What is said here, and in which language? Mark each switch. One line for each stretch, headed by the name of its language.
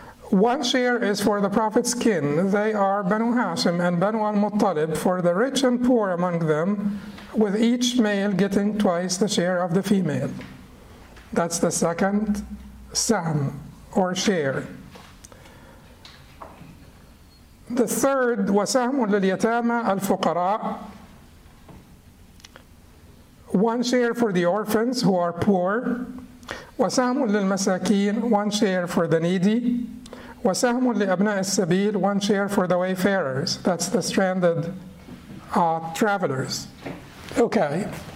English: One share is for the Prophet's kin. They are Banu Hashim and Banu al-Muttalib, for the rich and poor among them, with each male getting twice the share of the female. That's the second sahm, or share. The third,
Arabic: وَسَهْمٌ لِلْيَتَامَى الْفُقَرَاءِ.
English: One share for the orphans who are poor.
Arabic: وَسَهْمٌ لِلْمَسَاكِينَ.
English: One share for the needy.
Arabic: وَسَهْمٌ لِأَبْنَاءِ السَّبِيلِ.
English: One share for the wayfarers. That's the stranded travelers. Okay.